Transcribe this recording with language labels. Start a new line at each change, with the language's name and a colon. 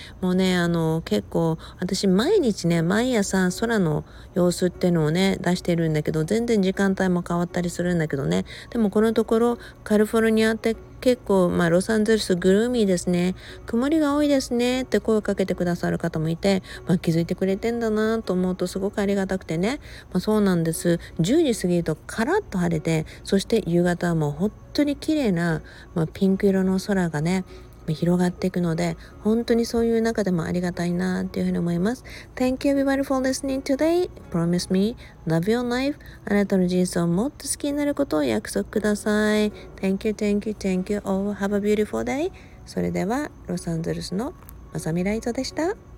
Japanese: もうね、結構私毎日ね、毎朝空の様子っていうのをね、出してるんだけど、全然時間帯も変わったりするんだけどね、でもこのところカリフォルニアって結構、まあ、ロサンゼルスグルーミーですね、曇りが多いですねって声をかけてくださる方もいて、まあ、気づいてくれてんだなと思うとすごくありがたくてね、まあ、そうなんです。 10時過ぎるとカラッと晴れて、そして夕方はもう本当に綺麗な、まあ、ピンク色の空がね、広がっていくので、本当にそういう中でもありがたいなっていうふうに思います。
English: Thank you everybody for listening today. Promise me, love your life.
Japanese: あなたの人生をもっと好きになることを約束ください。
English: Thank you, thank you, thank you all. Have a beautiful day.
Japanese: それではロサンゼルスのまさみライトでした。